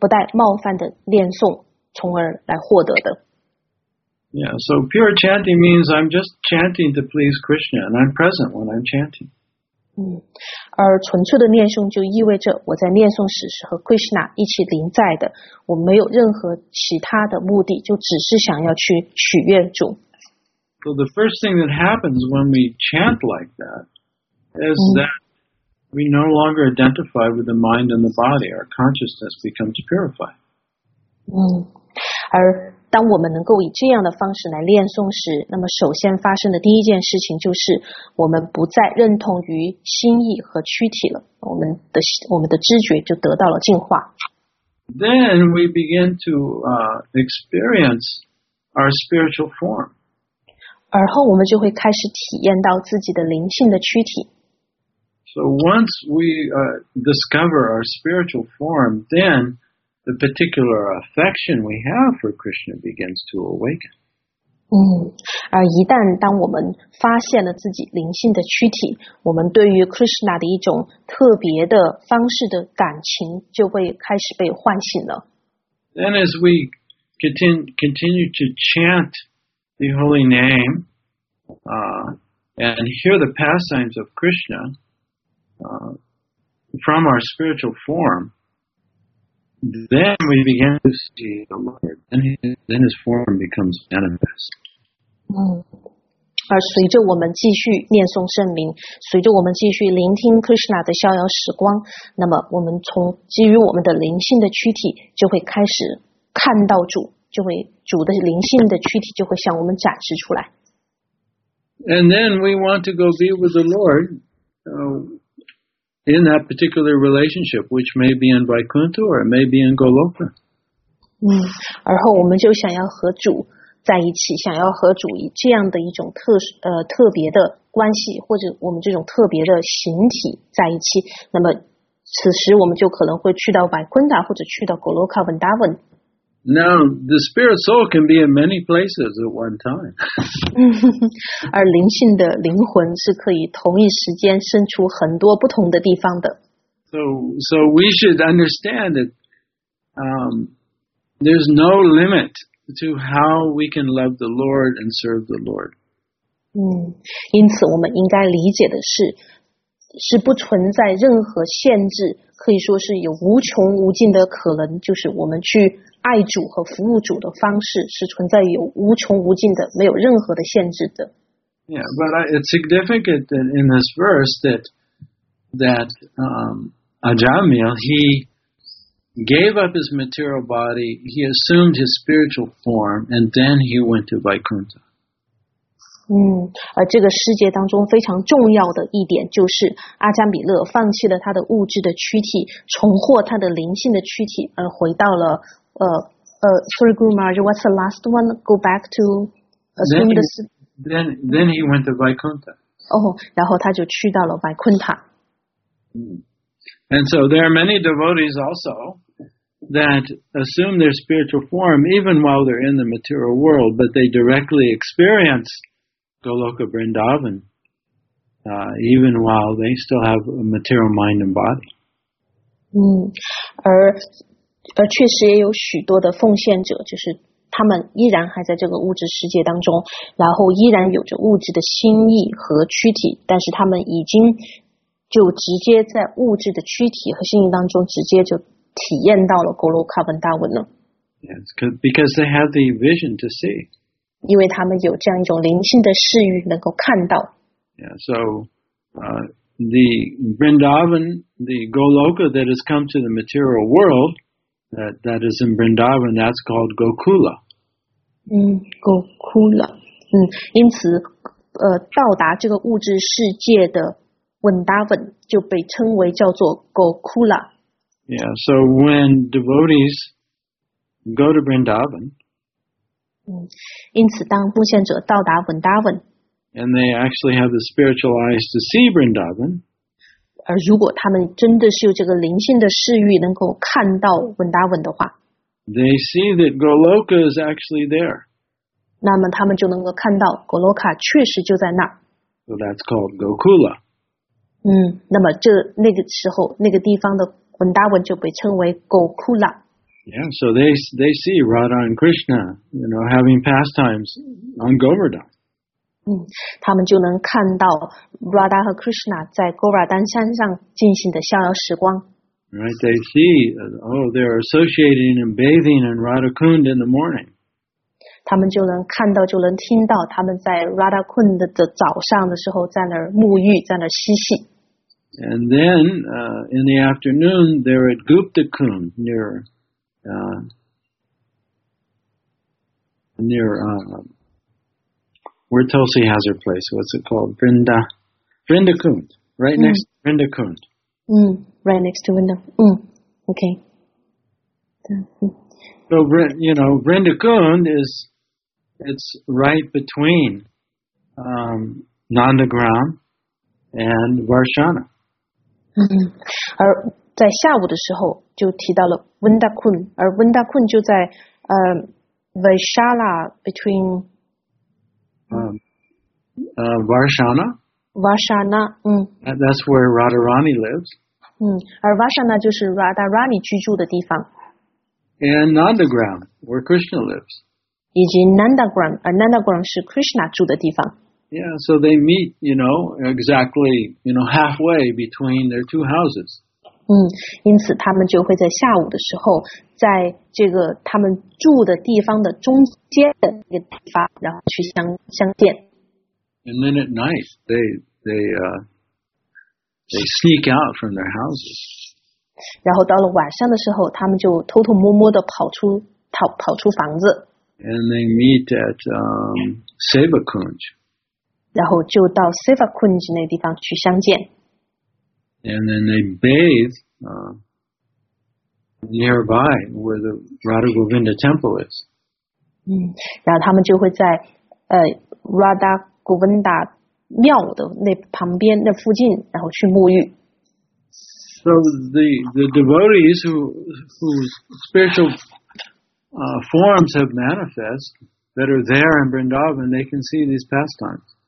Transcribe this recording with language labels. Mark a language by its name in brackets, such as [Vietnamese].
[Chinese] 那么我们自己就会能够觉悟到人生的完美就是通过纯粹的不带冒犯的念诵从而来获得的。 [English] Yeah, so pure chanting means I'm just chanting to please Krishna, and I'm present when I'm chanting. [Chinese] 而纯粹的念诵就意味着我在念诵时和Krishna一起临在的,我没有任何其他的目的,就只是想要去取悦主。 [English] So the first thing that happens when we chant like that is that we no longer identify with the mind and the body. Our consciousness becomes purified. [Chinese] 而当我们能够以这样的方式来念诵时，那么首先发生的第一件事情就是我们不再认同于心意和躯体了，我们的知觉就得到了进化。 [English] Then we begin to experience our spiritual form. [Chinese] 而后我们就会开始体验到自己的灵性的躯体。 [English] So once we discover our spiritual form, then the particular affection we have for Krishna begins to awaken. [Chinese] 而一旦当我们发现了自己灵性的躯体，我们对于 Krishna 的一种特别的方式的感情就会开始被唤醒了。 [English] Then as we continue to chant the holy name, and hear the pastimes of Krishna, from our spiritual form, then we begin to see the Lord, then his form becomes manifest. [Chinese] 而随着我们继续念诵圣名，随着我们继续聆听 Krishna 的逍遥时光，那么我们从基于我们的灵性的躯体就会开始看到主，就会主的灵性的躯体就会向我们展示出来。 [English] And then we want to go be with the Lord, in that particular relationship, which may be in Vaikuntha or it may be in Goloka. [Chinese] 而后我们就想要和主在一起，想要和主以这样的一种特别的关系，或者我们这种特别的形体在一起。那么此时我们就可能会去到 Vaikuntha 或者去到 Goloka Vrindavan。 [English] Now, the spirit soul can be in many places at one time. [Chinese] 而灵性的灵魂是可以同一时间生出很多不同的地方的。 [English] So we should understand that there's no limit to how we can love the Lord and serve the Lord. [Chinese] 因此我们应该理解的是不存在任何限制，可以说是有无穷无尽的可能，就是我们去爱主和服务主的方式是存在有无穷无尽的，没有任何的限制的。 [English] Yeah, but it's significant that in this verse that Ajamil, he gave up his material body, he assumed his spiritual form, and then he went to Vaikuntha. [Chinese] 而这个世界当中非常重要的一点就是阿迦米勒放弃了他的物质的躯体，重获他的灵性的躯体，而回到了 [English] Sorry, Guru Maharaj, what's the last one? Go back to Then he went to Vaikuntha. [Chinese] Oh, 然后他就去到了 Vaikuntha. [English] And so there are many devotees also that assume their spiritual form even while they're in the material world, but they directly experience Goloka Vrindavan even while they still have a material mind and body. [Chinese] 而确实也有许多的奉献者，就是他们依然还在这个物质世界当中，然后依然有着物质的心意和躯体，但是他们已经就直接在物质的躯体和心意当中直接就体验到了 Goloka Vrindavan 了。 [English] Yes, because they have the vision to see. [Chinese] 因为他们有这样一种灵性的视域能够看到。 [English] Yeah, so, the Vrindavan, the Goloka that has come to the material world,That is in Vrindavan, that's called Gokula. Gokula. [Chinese] 因此到达这个物质世界的 Vrindavan 就被称为叫做 Gokula. [English] Yeah, so when devotees go to Vrindavan, [Chinese] 因此当奉献者到达 Vrindavan, [English] and they actually have the spiritual eyes to see Vrindavan, [Chinese] 而如果他们真的是有这个灵性的视域能够看到 Vrindavan 的话， [English] They see that Goloka is actually there. [Chinese] 那么他们就能够看到 Goloka 确实就在那。 [English] So that's called Gokula. [Chinese] 那么这那个时候那个地方的 Vrindavan 就被称为 Gokula. [English] Yeah, so they see Radha and Krishna, you know, having pastimes on Govardhan. [Chinese] 他们就能看到 Radha 和 Krishna 在 Govardhan 山上进行的逍遥时光。 [English] Right, they see, they're associating and bathing in Radha Kund in the morning. [Chinese] 他们就能看到，就能听到他们在 Radha Kund 的早上的时候在那儿沐浴，在那儿嬉戏。 [English] And then, in the afternoon, they're at Gupta Kund near, near where Tulsi has her place. What's it called? Vrindakund. Right next to Vrindakund. Mm, right next to Vrindakund. Mm, okay. So, you know, Vrindakund is, it's right between Nandagram and Varshana. [Chinese] 而在下午的时候就提到了 Vrindakund, 而 Vrindakund 就在Vaishala [English] between Varshana. Varshana, That's where Radharani lives. [Chinese] 而 Varshana 就是 Radharani 居住的地方。 [English] And Nandagram, where Krishna lives. [Chinese] 以及 Nandagram, 而 Nandagram 是 Krishna 住的地方。 [English] Yeah, so they meet, you know, exactly, you know, halfway between their two houses. [Chinese] 因此他们就会在下午的时候在这个他们住的地方的中间的一个地方然后去相见。 [English] And then at night, they sneak out from their houses. [Chinese] 然后到了晚上的时候他们就偷偷摸摸地跑出房子。 [English] And they meet at Sevakunj. [Chinese] 然后就到 Sevakunj 那地方去相见。 [English] And then they bathe nearby where the Radha Govinda temple is. [Chinese] 然后他们就会在Radha Govinda 庙的那旁边的附近然后去沐浴。 [English] So the devotees whose spiritual forms have manifest that are there in Vrindavan, they can see these pastimes.